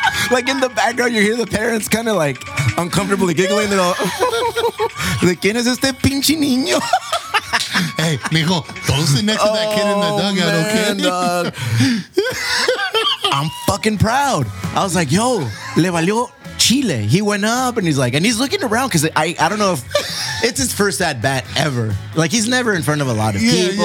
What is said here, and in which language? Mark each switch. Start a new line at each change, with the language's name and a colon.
English: Like in the background, you hear the parents kind of like uncomfortably giggling. They're all,
Spanish: ¿de quién es este pinche niño?
English: Hey, mijo, don't sit next to that kid in the dugout, man, okay? Dog. I'm fucking proud. I was like, yo,
Spanish: le valió Chile.
English: He went up and he's like, and he's looking around because I don't know if it's his first at bat ever. Like, he's never in front of a lot of people.